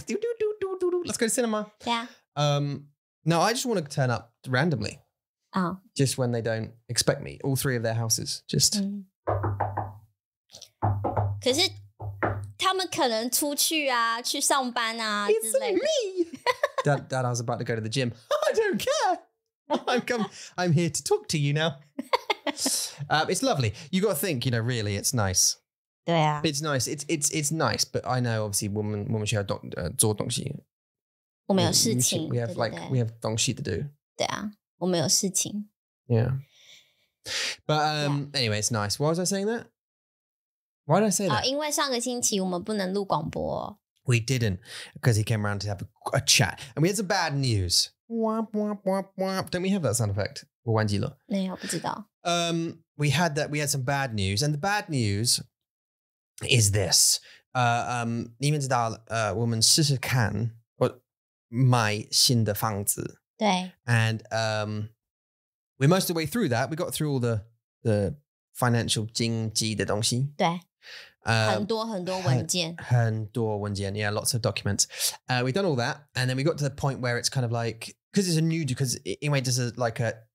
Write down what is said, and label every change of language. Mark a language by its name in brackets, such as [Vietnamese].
[English] Do, do, do, do, do. Let's go to cinema. Yeah. No, I just want to turn up randomly. Oh. Just when they don't expect me. All three of their houses. Just. [Chinese] 可是他们可能出去啊，去上班啊之类的。 [English] It's me. Dad, I was about to go to the gym. I don't care. I'm here to talk to you now. It's lovely. You got to think, you know, really, it's nice. [Chinese] 对啊。 [English] It's nice. It's nice, but I know, obviously, [Chinese] 我们需要做东西。我们有事情。 [English] We have, [Chinese] 对对对 [English] like, we have [Chinese] 东西 [English] to do. [Chinese] 对啊,我们有事情。 [English] Yeah. But yeah. Anyway, it's nice. Why was I saying that? Why did I say that? [Chinese] 因为上个星期我们不能录广播。 [English] We didn't, because he came around to have a chat. And we had some bad news. Womp, womp, womp, womp. Don't we have that sound effect? [Chinese] 我忘记了。没有,不知道。 [English] We had that. We had some bad news, and the bad news is this. [Chinese] 你们知道，我们试试看，我买新的房子。对。 [English] And we're most of the way through that. We got through all the financial [Chinese] 经济的东西。对。很多很多文件。很多文件 [English] ，yeah, lots of documents. We've done all that, and then we got to the point where it's kind of like because it's a new because anyway, this is like a.